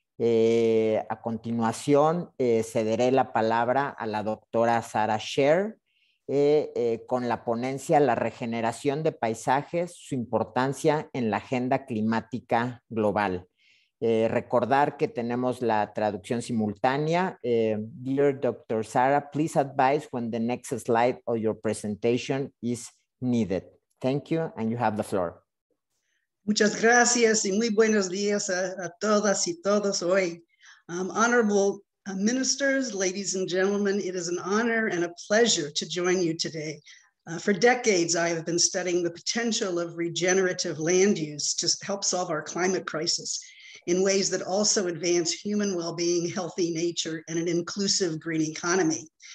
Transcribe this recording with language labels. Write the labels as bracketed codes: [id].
[es] A continuación, cederé la palabra a la doctora Sara Scher con la ponencia La regeneración de paisajes, su importancia en la agenda climática global. Recordar que tenemos la traducción simultánea. [en] Dear Dr. Sara, please advise when the next slide of your presentation is needed. Thank you, and you have the floor. [es] Muchas gracias y muy buenos días a todas y todos hoy. [en] Honorable ministers, ladies and gentlemen, it is an honor and a pleasure to join you today. For decades, I have been studying the potential of regenerative land use to help solve our climate crisis in ways that also advance human well-being, healthy nature, and an inclusive green economy.